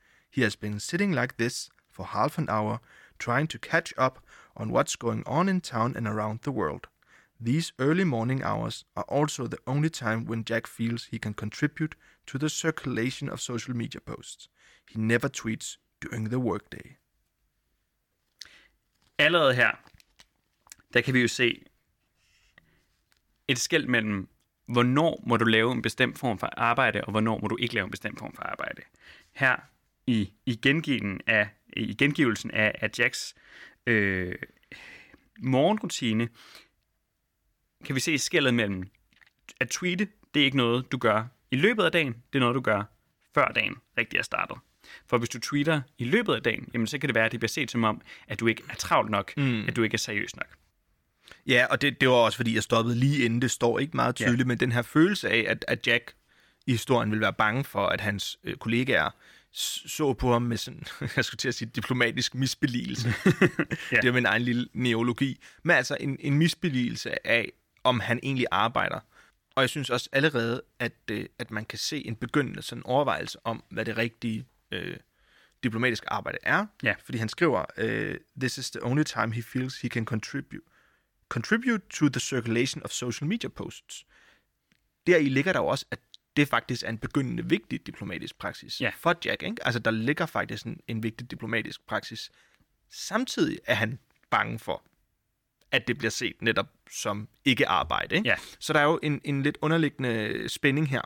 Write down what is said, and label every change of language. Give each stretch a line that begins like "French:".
English: He has been sitting like this for half an hour, trying to catch up on what's going on in town and around the world. These early morning hours are also the only time when Jack feels he can contribute to the circulation of social media posts. He never tweets during the workday.
Danish: Allerede her, der kan vi jo se et skel mellem, hvornår må du lave en bestemt form for arbejde, og hvornår må du ikke lave en bestemt form for arbejde. Her i gengivelsen af at Jacks morgenrutine, kan vi se skellet mellem at tweete, det er ikke noget, du gør i løbet af dagen, det er noget, du gør før dagen rigtig er startet. For hvis du tweeter i løbet af dagen, jamen så kan det være, at det bliver set som om, at du ikke er travlt nok, at du ikke er seriøs nok. Ja, og det var også, fordi jeg stoppede lige inden, det står ikke meget tydeligt, ja. Men den her følelse af, at Jack i historien ville være bange for, at hans kollegaer så på ham med sådan, jeg skulle til at sige, diplomatisk misbeligelse. Ja. Det er min egen lille neologi. Men altså en misbeligelse af, om han egentlig arbejder. Og jeg synes også allerede, at man kan se en begyndende sådan overvejelse om, hvad det rigtige diplomatiske arbejde er. Ja. Fordi han skriver,
English: this is the only time he feels he can contribute to the circulation of social media posts.
Danish: Deri ligger der jo også, at det faktisk er en begyndende vigtig diplomatisk praksis ja. For Jack. Ikke? Altså, der ligger faktisk en vigtig diplomatisk praksis. Samtidig er han bange for, at det bliver set netop som ikke arbejde. Ikke? Ja. Så der er jo en lidt underliggende spænding her.